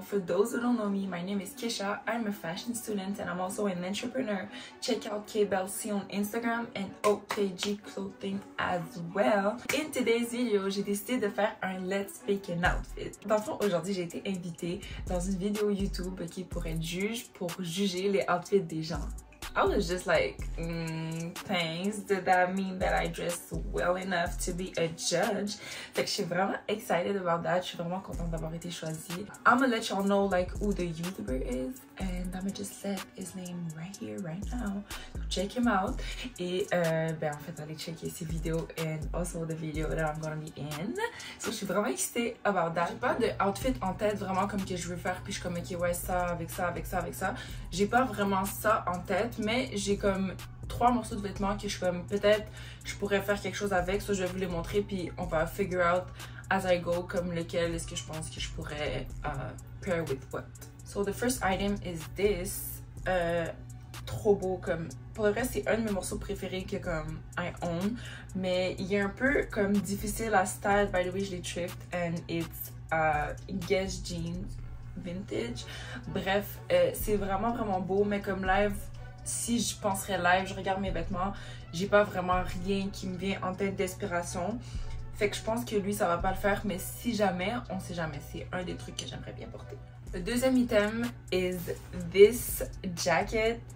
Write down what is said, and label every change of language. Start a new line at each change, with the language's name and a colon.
English: For those who don't know me, my name is Kisha. I'm a fashion student and I'm also an entrepreneur. Check out KBelsi on Instagram and OKG Clothing as well. In today's video,
French: j'ai décidé de faire un
English: Let's Fake an Outfit.
French: Dans le fond, aujourd'hui, j'ai été invitée dans une vidéo YouTube qui pourrait être juge pour juger les outfits des gens.
English: I was just like, thanks. Did that mean that I dressed well enough to be a judge?
French: Fait que je suis vraiment
English: excited about that.
French: Je suis vraiment contente d'avoir été choisie.
English: I'm gonna let y'all know like who the YouTuber is. And I'm gonna just set his name right here, right now. So check him out.
French: Et ben en fait, allez checker ses vidéos
English: and also the video that I'm gonna be in.
French: So je suis vraiment excitée
English: about that.
French: J'ai pas d'outfit en tête vraiment comme que je veux faire. Puis je suis comme, ok, ouais, ça, avec ça, avec ça, avec ça. J'ai pas vraiment ça en tête. Mais j'ai comme trois morceaux de vêtements que je comme peut-être je pourrais faire quelque chose avec. Soit je vais vous les montrer puis on va
English: figure out as I go
French: comme lequel est-ce que je pense que je pourrais
English: pair with what. So the first item is this.
French: Trop beau comme... Pour le reste, c'est un de mes morceaux préférés que comme
English: I own.
French: Mais il est un peu comme difficile à style.
English: By the way,
French: je l'ai
English: tripped and it's Guess Jeans Vintage.
French: Bref, c'est vraiment vraiment beau mais comme live... Si je penserais live, je regarde mes vêtements, j'ai pas vraiment rien qui me vient en tête d'inspiration. Fait que je pense que lui, ça va pas le faire, mais si jamais, on sait jamais, c'est un des trucs que j'aimerais bien porter. Le deuxième
English: item is this jacket.